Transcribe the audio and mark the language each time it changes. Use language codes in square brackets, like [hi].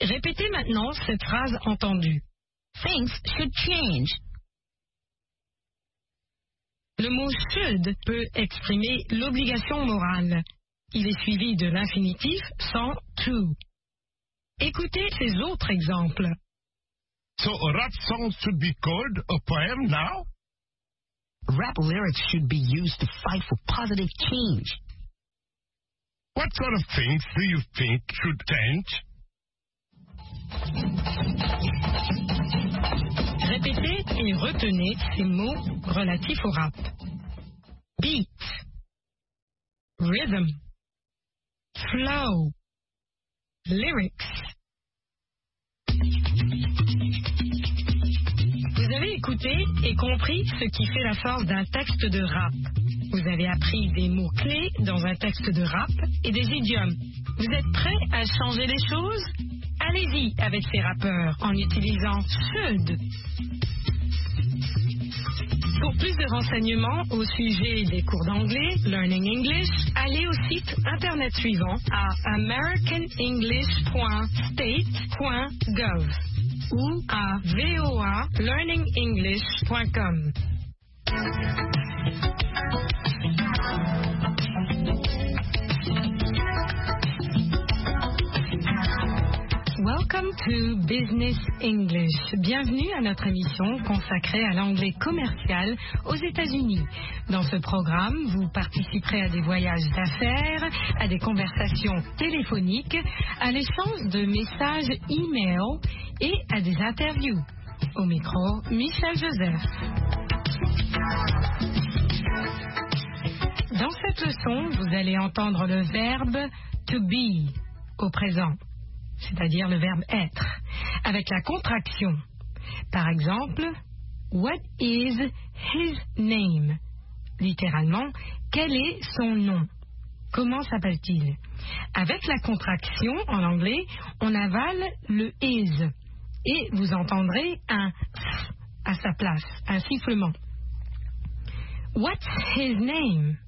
[fr] Répétez maintenant cette phrase entendue. [en] Things should change. [fr] Le mot « should » peut exprimer l'obligation morale. Il est suivi de l'infinitif sans « to ». Écoutez ces autres exemples. [en] So a rap song should be called a poem now? Rap lyrics should be used to fight for positive change. What sort of things do you think should change? [fr] Répétez et retenez ces mots relatifs au rap. [en] Beat, rhythm, flow, lyrics, [fr] avez écouté et compris ce qui fait la force d'un texte de rap. Vous avez appris des mots clés dans un texte de rap et des idiomes. Vous êtes prêt à changer les choses? Allez-y avec ces rappeurs en utilisant Should. Pour plus de renseignements au sujet des cours d'anglais, Learning English, allez au site internet suivant à americanenglish.state.gov ou à voalearningenglish.com. [en] Welcome to Business English. [fr] Bienvenue à notre émission consacrée à l'anglais commercial aux États-Unis. Dans ce programme, vous participerez à des voyages d'affaires, à des conversations téléphoniques, à l'échange de messages e-mail et à des interviews. Au micro, Michel Joseph. Dans cette leçon, vous allez entendre le verbe to be au présent, c'est-à-dire le verbe être, avec la contraction. Par exemple, [en] what is his name? [fr] Littéralement, quel est son nom? Comment s'appelle-t-il? Avec la contraction, en anglais, on avale le is et vous entendrez un f à sa place, un sifflement. [en] What's his name?